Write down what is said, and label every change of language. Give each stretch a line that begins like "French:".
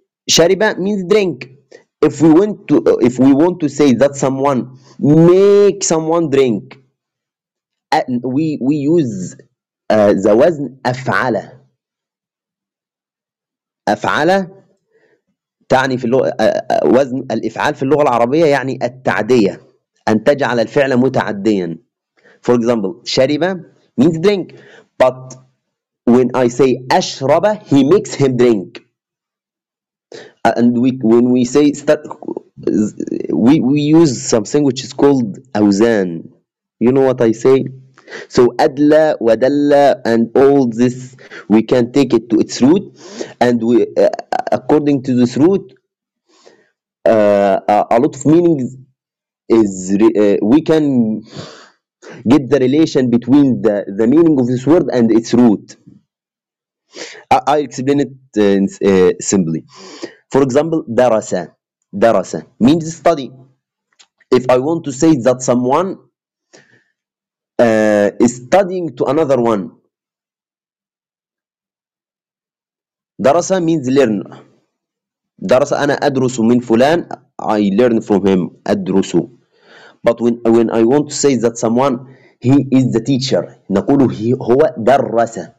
English: شربة means drink. If we want to say that someone make someone drink, we use the وزن أفعلة.
Arabic: أفعلة تعني في اللغة وزن الإفعال في اللغة العربية يعني التعدية, أن تجعل الفعل متعديا.
English: For example, شربة means drink, but when I say أشرب, he makes him drink. And when we use something which is called أوزان, you know what I say? So أدلى ودلى and all this, we can take it to its root, and we according to this root, a lot of meanings is we can get the relation between the meaning of this word and its root. I explain it simply. For example, درس, درس means study. If I want to say that someone is studying to another one, درس means learn.
Arabic: درس أنا أدرس من فلان,
English: I learn from him,
Arabic: أدرس.
English: But when I want to say that someone, he is the teacher,
Arabic: نقول هو درس.